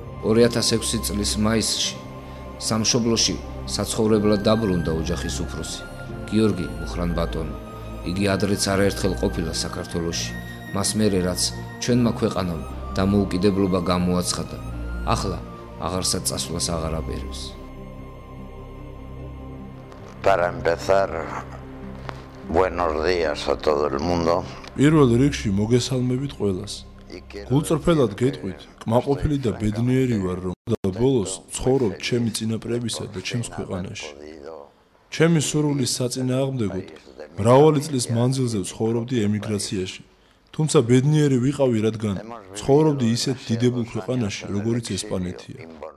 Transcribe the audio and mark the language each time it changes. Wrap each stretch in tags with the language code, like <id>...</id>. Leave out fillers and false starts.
<ka>ორი წლის მაისში სამშობლოში საცხოვრებლად დაბრუნდა ოჯახის უფროსი გიორგი მუხრან ბატონი. იგი ადრეც არაერთხელ ყოფილა საქართველოში. მას მერე რაც ჩვენმა ქვეყანამ დამოუკიდებლობა გამოაცხადა, ახლა აღარსად წასვლას აღარ აპირებს.</ka> <es>Para empezar, buenos días a todo el mundo.</es> <ka>Პირველ რიგში მოგესალმებით ყველას. გულწრფელად გეტყვით, კმაყოფილი და ბედნიერი ვარ, რომ და ბოლოს ცხოვრობ ჩემი წინაპრებისა და ჩემს ქვეყანაში. ჩემი სურვილის საწინააღმდეგოდ მრავალი წლის მანძილზე ვცხოვრობდი ემიგრაციაში, თუმცა ბედნიერი ვიყავი, რადგან ცხოვრობდი ისეთ დიდებულ ქვეყანაში, როგორიც ესპანეთია.</ka>